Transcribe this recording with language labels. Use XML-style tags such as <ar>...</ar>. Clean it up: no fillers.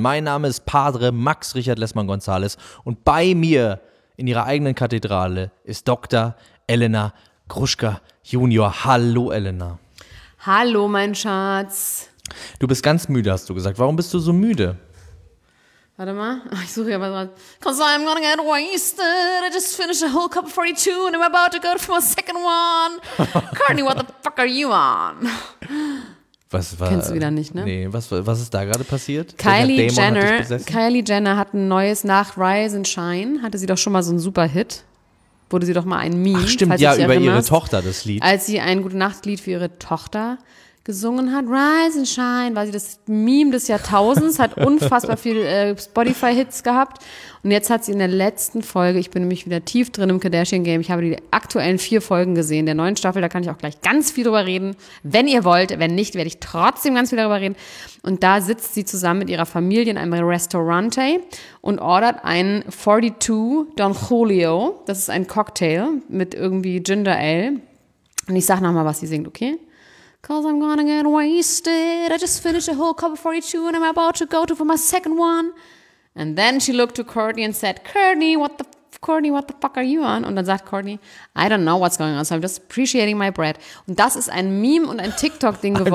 <de>Mein Name ist Padre Max Richard Lessmann Gonzales und bei mir in ihrer eigenen Kathedrale ist Dr. Elena Groschka Junior. Hallo Elena. Hallo mein Schatz. Du bist ganz müde, hast du gesagt. Warum bist du so müde? Warte mal, ich suche ja mal dran.</de> <en>Cause I'm gonna get wasted, I just finished a whole cup of 42 and I'm about to go for my second one. Courtney, what the fuck are you on?</en> <de>Was war, kennst du wieder nicht, ne? Nee, was ist da gerade passiert? Kylie Jenner hat ein neues nach Rise and Shine, hatte sie doch schon mal so einen super Hit. Wurde sie doch mal ein Meme. Ach stimmt, falls ja, über ihre Tochter das Lied. Als sie ein Gute-Nacht-Lied für ihre Tochter gesungen hat, Rise and Shine, war sie das Meme des Jahrtausends, hat unfassbar viel Spotify-Hits gehabt. Und jetzt hat sie in der letzten Folge, ich bin nämlich wieder tief drin im Kardashian-Game, ich habe die aktuellen 4 Folgen gesehen, der neuen Staffel, da kann ich auch gleich ganz viel drüber reden, wenn ihr wollt, wenn nicht, werde ich trotzdem ganz viel darüber reden. Und da sitzt sie zusammen mit ihrer Familie in einem Restaurante und ordert einen 42 Don Julio, das ist ein Cocktail mit irgendwie Ginger Ale. Und ich sag nochmal, was sie singt, okay?</de> <en>Cause I'm gonna get wasted, I just finished a whole cup of 42 and I'm about to go to for my second one. And then she looked to Courtney and said, Courtney, what the fuck are you on?</en> <de>Und dann sagt Courtney,</de> <en>I don't know what's going on, so I'm just appreciating my bread.</en> <de>Und das ist ein Meme und ein TikTok-Ding geworden.</de>